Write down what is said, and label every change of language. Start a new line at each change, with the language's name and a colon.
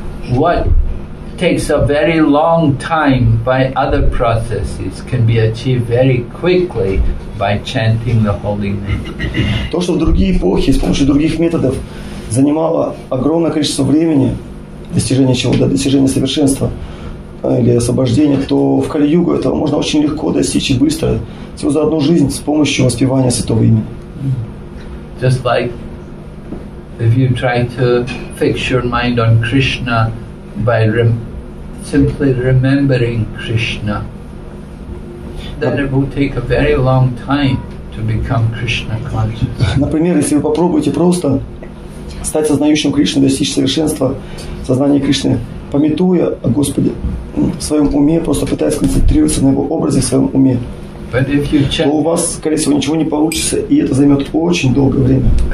English: What takes a very long time by other processes can be achieved very quickly by chanting the holy name.
Russian: То, что в другие эпохи с помощью других методов занимало огромное количество времени, достижение чего-то, достижение совершенства, или освобождение, то в Кали-Югу этого можно очень легко достичь и быстро, всего за одну жизнь с помощью воспевания святого имени.
English: Just like if you try to fix your mind on Krishna by simply remembering Krishna, then it will take a very long time to become Krishna conscious.
Russian: Например, если вы попробуете просто стать сознающим Кришны, достичь совершенства сознания Кришны, памятуя о Господе в своем уме, просто пытаясь сконцентрироваться на Его образе в своем уме, то у вас, скорее всего, ничего не получится, и это займет очень долгое время.